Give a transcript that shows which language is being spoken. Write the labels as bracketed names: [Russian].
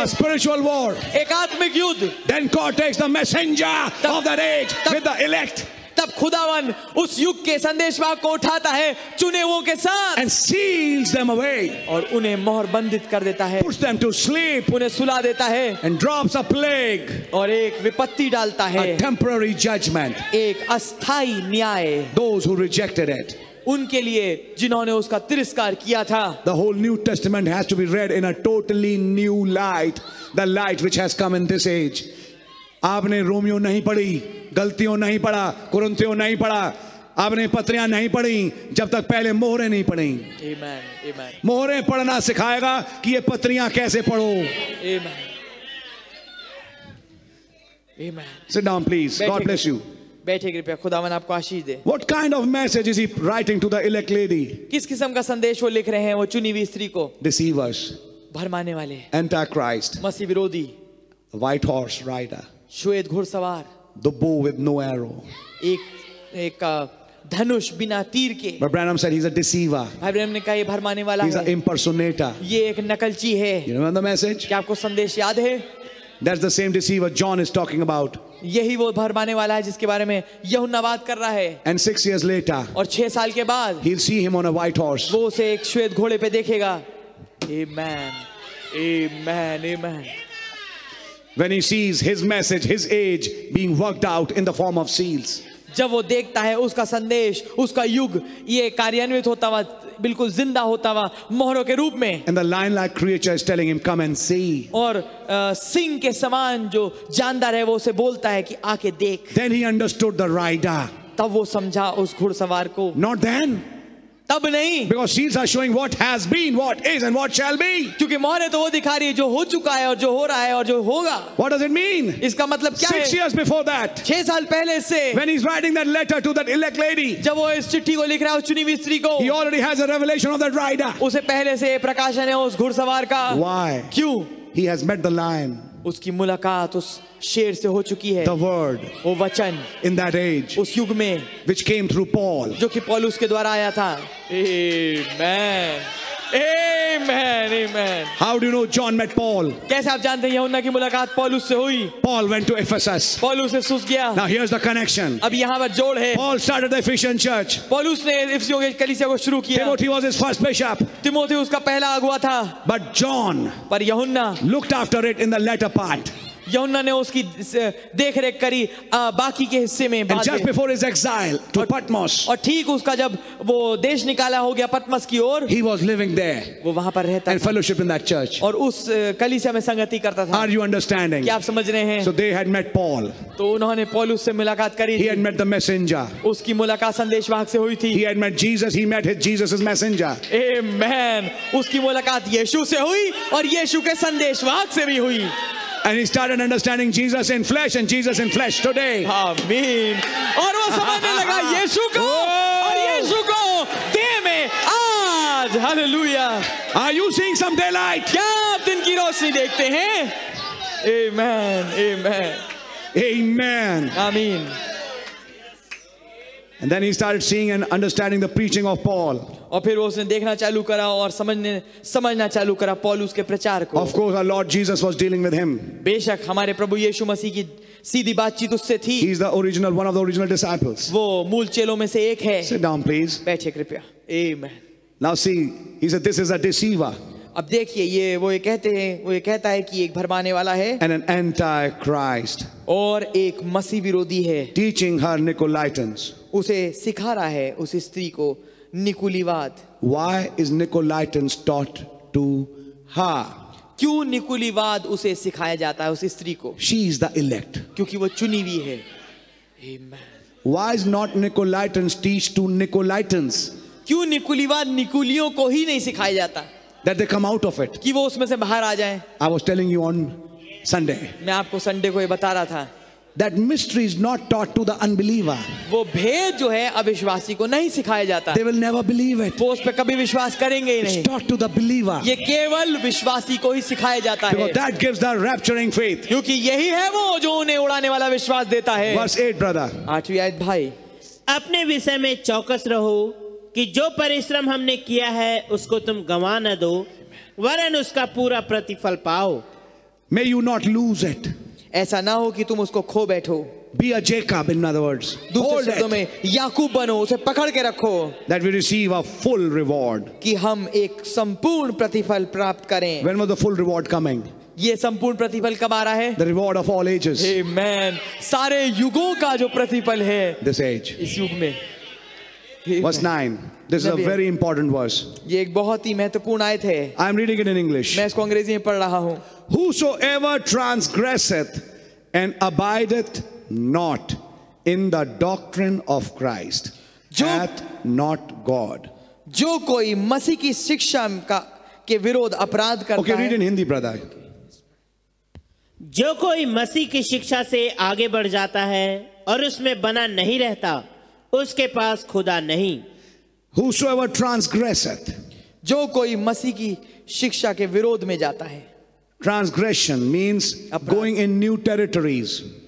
[English] a spiritual war, [Hindi] एक आत्मिक युद्ध [English] then God takes the messenger of that age with the elect [Hindi] तब खुदावन उस युग के संदेश भाग को उठाता है चुने वो के साथ [English] and seals them away, [Hindi] और उन्हें मोहर बंदित कर देता है [English] puts them to sleep, [Hindi] उन्हें सुला देता है [English] and drops a plague, [Hindi] और एक विपत्ति डालता है [English] a temporary judgment, [Hindi] एक अस्थाई न्याय [English] those who rejected it, [Hindi] उनके लिए जिन्होंने उसका तिरस्कार किया था [English] the whole new testament has to be read in a totally new light, the light which has come in this age. [Hindi] आपने रोमियो नहीं पढ़ी गलतियों नहीं पढ़ा कुरंतियों नहीं पढ़ा आपने पत्रियां नहीं पढ़ी जब तक पहले मोहरें नहीं पढ़ी मोहरें पढ़ना सिखाएगा कि ये पत्रियां कैसे पढ़ो [English] Amen. Amen. Sit down, please. God bless you. [Hindi] बैठे कृपया खुदावन आपको आशीष दे [English] What kind of message is he writing to the elect lady? [Hindi] किस किस्म का संदेश वो लिख रहे हैं वो चुनी हुई स्त्री को [English] Deceivers. [Hindi] भरमाने वाले [English] Antichrist. [Hindi] मसीह विरोधी [English] White horse rider. [Hindi] श्वेत घुड़सवार [English] The bow with no arrow. [Hindi] एक धनुष बिना तीर के. [English] But Branham said he's a deceiver. [Hindi] Branham ने कहा ये भरमाने वाला है. [English] He's an impersonator. [Hindi] ये एक नकलची है. [English] You remember the message? [Hindi] क्या आपको संदेश याद है? [English] That's the same deceiver John is talking about. [Hindi] यही वो भरमाने वाला है जिसके बारे में यूहन्ना बात कर रहा है. [English] And 6 years later. [Hindi] और 6 साल के बाद. [English] He'll see him on a white horse. [Hindi] वो उसे एक श्वेत घोड़े पे देखेगा. Amen. Amen. Amen. [English] When he sees his message, his age being worked out in the form of seals. [Hindi] जब वो देखता है उसका संदेश, उसका युग ये कार्यान्वित होता हुआ, बिल्कुल जिंदा होता हुआ, मोहरों के रूप में. [English] And the lion-like creature is telling him, "Come and see." [Hindi] और सिंह के समान जो जानदार है वो उसे बोलता है कि आके देख. [English] Then he understood the rider. [Hindi] तब वो समझा उस घुड़सवार को. [English] Not then. [Hindi] तब नहीं [English] Because seals are showing what has been, what is, and what shall be. [Hindi] क्योंकि मोहरें तो वो दिखा रही है जो हो चुका है और जो हो रहा है और जो होगा [English] What does it mean? [Hindi] इसका मतलब क्या है? [English] 6 years before that. [Hindi] 6 साल पहले से [English] When he's writing that letter to that elect lady. [Hindi] जब वो इस चिट्ठी को लिख रहा है उस चुनी हुई स्त्री को [English] He already has a revelation of that rider. [Hindi] उसे पहले से प्रकाशन है उस घुड़सवार का [English] Why? [Hindi] क्यों? [English] He has met the lion. [Hindi] उसकी मुलाकात उस शेर से हो चुकी है [English] The word, [Hindi] वो वचन [English] in that age, [Hindi] उस युग में [English] which came through Paul, [Hindi] जो कि पौलुस के द्वारा आया था Amen. [English] Amen. Amen. How do you know John met Paul? [Hindi] कैसे आप जानते हैं यूहन्ना की मुलाकात पौलुस से हुई? [English] Paul went to Ephesus. [Hindi] पौलुस एफेसस गया. [English] Now here's the connection. [Hindi] अब यहाँ पर जोड़ है. [English] Paul started the Ephesian church. [Hindi] पौलुस ने इफिसियों के कलीसिया को शुरू किया. [English] Timothy was his first bishop. [Hindi] Timothy उसका पहला अगुआ था. [English] But John. [Hindi] पर यूहन्ना. [English] Looked after it in the latter part. [Hindi] यूहन्ना ने उसकी देखरेख करी बाकी के हिस्से में [English] And just before his exile to Patmos, [Hindi] और ठीक उसका जब वो देश निकाला हो गया पतमस की ओर [English] he was living there, [Hindi] वो वहां पर रहता [English] and fellowship in that church. [Hindi] और उस कलीसिया में संगति करता था [English] Are you understanding? [Hindi] क्या आप समझ रहे हैं [English] So they had met Paul. [Hindi] तो उन्होंने पौलुस से मुलाकात करी [English] He had met the messenger. [Hindi] उसकी मुलाकात संदेश वाहक से हुई थी [English] He had met Jesus. He met his Jesus's messenger. Amen. [Hindi] उसकी मुलाकात यीशु से हुई और यीशु के संदेश वाहक से भी हुई [English] And he started understanding Jesus in flesh and Jesus in flesh today. Amen. [Hindi] और वो समझने लगा यीशु को और यीशु को देह में आज. [English] Hallelujah. Are you seeing some daylight? [Hindi] क्या आप दिन की रोशनी देखते हैं? [English] Amen. Amen. Amen. Amen. And then he started seeing and understanding the preaching of Paul. [Hindi] और फिर वो उसने देखना चालू करा और समझना चालू करा पौलुस के प्रचार को. [English] Of course, our Lord Jesus was dealing with him. [Hindi] बेशक हमारे प्रभु यीशु मसीह की सीधी बातचीत उससे थी. [English] He is the original, one of the original disciples. [Hindi] वो मूल चेलों में से एक है. [English] Sit down, please. [Hindi] बैठिए कृपया. Amen. [English] Now see, he said, "This is a deceiver." [Hindi] अब देखिए ये वो ये कहते हैं वो ये कहता है कि एक भरमाने वाला है [English] and an antichrist [Hindi] और एक मसीह विरोधी है [English] teaching her Nicolaitans [Hindi] उसे सिखा रहा है उस स्त्री को निकुलीवाद [English] why is Nicolaitans taught to her [Hindi] क्यों निकुलीवाद उसे सिखाया जाता है उस स्त्री को [English] she is the elect [Hindi] क्योंकि वो चुनी हुई है amen [English] why is not Nicolaitans teach to Nicolaitans [Hindi] क्यों निकुलीवाद निकुलियों को ही नहीं सिखाया जाता [English] That they come out of it. [Hindi] कि वो उसमें से बाहर आ जाएं. [English] I was telling you on Sunday. [Hindi] मैं आपको संडे को ये बता रहा था. [English] That mystery is not taught to the unbeliever. [Hindi] वो भेद जो है अविश्वासी को नहीं सिखाया जाता. [English] They will never believe it. [Hindi] वो उस पे कभी विश्वास करेंगे ही नहीं. [English] It's taught to the believer. [Hindi] ये केवल विश्वासी को ही सिखाया जाता है. [English] Because that gives the rapturing faith. [Hindi] क्योंकि यही है वो जो उन्हें उड़ाने वाला विश्वास देता है. [English] Verse 8, brother. [Hindi] आठवीं आयत भाई. अपने विषय में चौकस रहो कि जो परिश्रम हमने किया है उसको तुम गंवा न दो वरन उसका पूरा प्रतिफल पाओ. [English] May you not lose it. [Hindi] ऐसा ना हो कि तुम उसको खो बैठो. [English] Be a Jacob, in other words. [Hindi] दूसरे शब्दों में याकूब बनो, उसे पकड़ के रखो. [English] That we receive a full reward. [Hindi] कि हम एक संपूर्ण प्रतिफल प्राप्त करें. [English] When was the full reward coming? [Hindi] ये संपूर्ण प्रतिफल कब आ रहा है? [English] The reward of all ages. Amen. [Hindi] सारे युगों का जो प्रतिफल है. [English] This age. [Hindi] इस युग में. [English] Verse 9. This is a very important verse. [Hindi] ये एक बहुत ही महत्वपूर्ण आयत है. [English] I am reading it in English. [Hindi] मैं इसको अंग्रेजी में पढ़ रहा हूँ. [English] Whosoever transgresseth and abideth not in the doctrine of Christ hath not God. [Hindi] जो कोई मसीह की शिक्षा का के विरोध अपराध करता है. [English] Okay, read in Hindi, brother. [Hindi] जो कोई मसीह की शिक्षा से आगे बढ़ जाता है और उसमें बना नहीं रहता उसके पास खुदा नहीं. [English] Whosoever transgresseth. [Hindi] जो कोई मसीह की शिक्षा के विरोध में जाता है. [English] Transgression means going in new territories.